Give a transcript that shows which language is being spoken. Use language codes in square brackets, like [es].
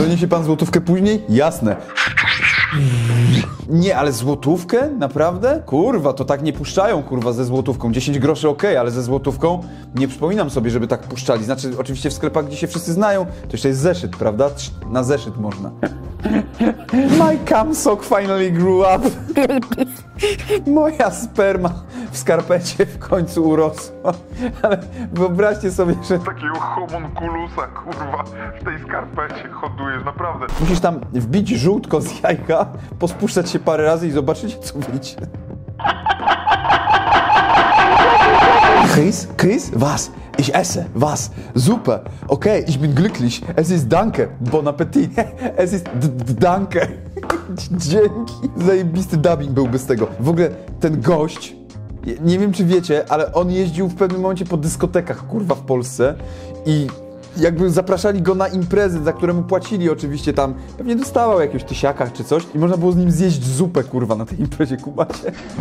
[pl] Doniesie pan złotówkę później? Jasne. Nie, ale złotówkę? Naprawdę? Kurwa, to tak nie puszczają, kurwa, ze złotówką. 10 groszy okej, ale ze złotówką nie przypominam sobie, żeby tak puszczali. Znaczy, oczywiście w sklepach, gdzie się wszyscy znają, to jeszcze jest zeszyt, prawda? Na zeszyt można. [en] My cum sock finally grew up. [pl] Moja sperma w skarpecie w końcu urosła. Ale wyobraźcie sobie, że... Takiego homunculusa, kurwa, w tej skarpecie hodujesz, naprawdę. Musisz tam wbić żółtko z jajka, pospuszczać się parę razy i zobaczyć, co wyjdzie. [de] Chris, was, ich esse, was, Suppe, okay, ich bin glücklich, es ist danke, [fr] bon appetit, [de] es ist danke, [pl] dzięki. Zajebisty dubbing byłby z tego. W ogóle ten gość, nie wiem czy wiecie, ale on jeździł w pewnym momencie po dyskotekach, kurwa, w Polsce i jakby zapraszali go na imprezy, za które mu płacili oczywiście tam, pewnie dostawał jakiegoś tysiaka czy coś i można było z nim zjeść zupę, kurwa, na tej imprezie, kumacie.